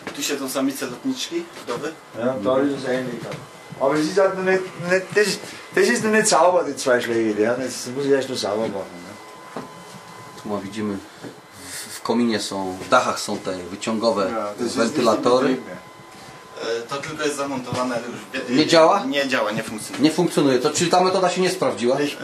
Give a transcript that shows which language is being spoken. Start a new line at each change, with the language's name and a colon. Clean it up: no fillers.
Polish: Tu siedzą samice lotniczki, wdowy. To jest
German: ähnlich. Aber es ist auch nicht, das ist noch nicht sauber, die zwei Schläge. Ja? Das muss ich erst noch sauber machen. Ja?
Polish: Tu
German: mal
Polish: widzimy, w kominie są, w dachach są te wyciągowe wentylatory. To tylko jest zamontowane już. Nie działa? Nie działa, nie funkcjonuje. Nie funkcjonuje. To czyli ta metoda się nie sprawdziła?